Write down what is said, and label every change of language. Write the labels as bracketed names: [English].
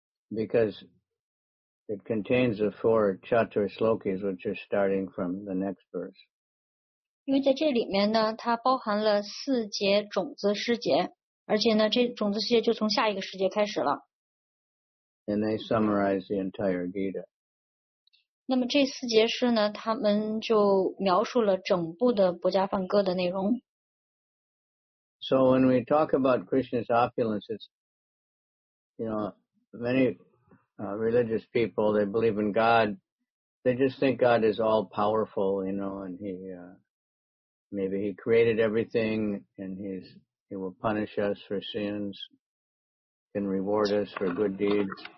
[English] Because it contains the four chatur slokas, which are starting from the next verse. [Chinese] 因为在这里面呢，它包含了四节种子诗节，而且呢，这种子诗节就从下一个诗节开始了。 [English] And they summarize the entire Gita. [Chinese] 那么这四节诗呢，他们就描述了整部的《博伽梵歌》的内容。 [English] So when we talk about Krishna's opulence, you know, many religious people, they believe in God, they just think God is all powerful, you know, and maybe he created everything and he will punish us for sins, can reward us for good deeds.